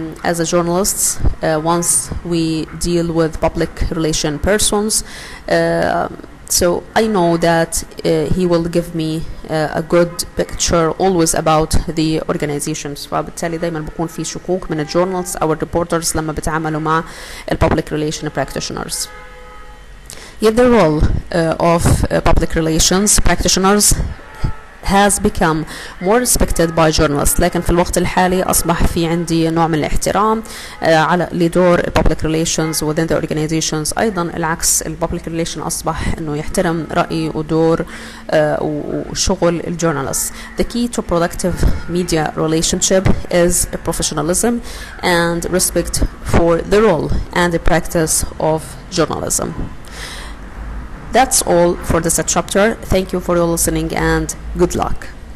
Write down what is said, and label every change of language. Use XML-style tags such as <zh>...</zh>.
<en>As a journalist, once we deal with public relation persons, so I know that he will give me a good picture always about the organizations.</en> <ar>فبالتالي دائما بكون في شكوك من الجورنالست أو الريبورترز لما بتعاملوا مع</ar> <en>public relation practitioners. Yet the role of public relations practitioners has become more respected by journalists.</en> <ar>لكن في الوقت الحالي أصبح في عندي نوع من الاحترام على لدور</ar> <en>public relations within the organizations.</en> <ar>أيضا العكس, public relations أصبح أنه يحترم رأي ودور وشغل الجورنالست.</ar> <en>The key to productive media relationship is professionalism and respect for the role and the practice of journalism. That's all for this chapter. Thank you for your listening and good luck.</en>